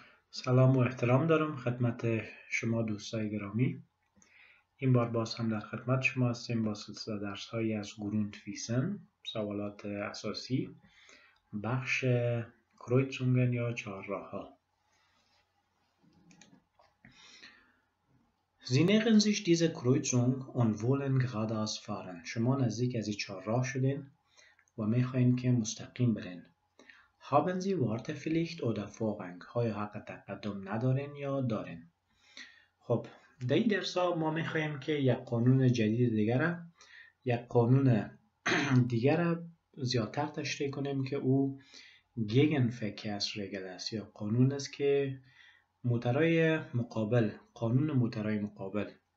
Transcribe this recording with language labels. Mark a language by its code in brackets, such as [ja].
[fa] سلام و احترام دارم خدمت شما دوستای گرامی. این بار باز هم در خدمت شما هستیم با سلسله درس های از گروند فیسن، سوالات اساسی، بخش کرویتسونگن یا چهار راه ها. [de] Sie nähern sich dieser Kreuzung und wollen geradeaus fahren. [fa] شما نزدیک از چهار راه شدین و می خواهیم که مستقیم برین. [de] Haben Sie Wartepflicht oder Vorrang? [fa] های حق تقدم ندارین یا دارین؟ خب، در این درس ما می خواهیم که یک قانون جدید دیگر یک قانون دیگر زیادتر تشریح کنیم که او Gegenverkehrsregel است یا قانون است که موترهای مقابل، قانون موترهای مقابل.